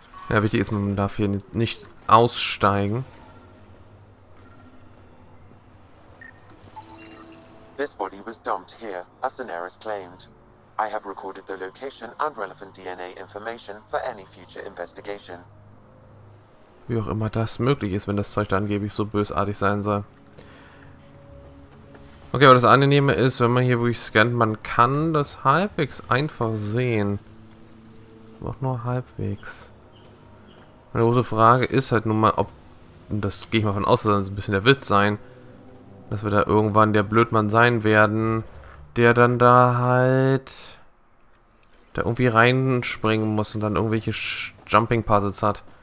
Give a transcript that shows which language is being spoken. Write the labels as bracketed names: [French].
[German] Ja, wichtig ist, man darf hier nicht aussteigen. [English] This body was dumped here, as Sonaris claimed. I have recorded the location and relevant DNA information for any future investigation. [German] Wie auch immer das möglich ist, wenn das Zeug da angeblich so bösartig sein soll. Okay, aber das Angenehme ist, wenn man hier wirklich scannt, man kann das halbwegs einfach sehen. Auch nur halbwegs. Meine große Frage ist halt nun mal, ob, und das gehe ich mal von aus, dass das ein bisschen der Witz sein, dass wir da irgendwann der Blödmann sein werden, der dann da halt da irgendwie reinspringen muss und dann irgendwelche Jumping Puzzles hat.